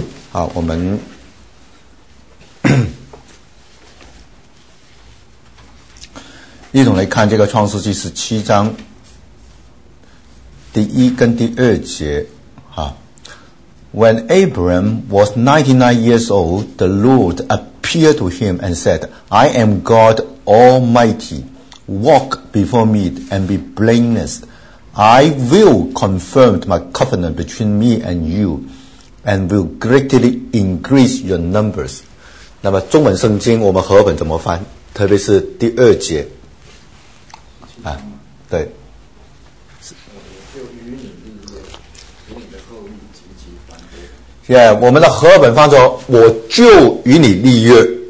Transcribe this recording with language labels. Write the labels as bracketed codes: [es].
[zh] 好，我们一同来看这个创世纪17章第一跟第二节啊。 [en] When Abram was 99 years old, the Lord appeared to him and said, I am God Almighty. Walk before me and be blameless. I will confirm my covenant between me and you and will greatly increase your numbers. [zh] 那么中文圣经我们和本怎么翻？特别是第二节。啊，对。 Yeah, 我们的和本翻作我就与你立约。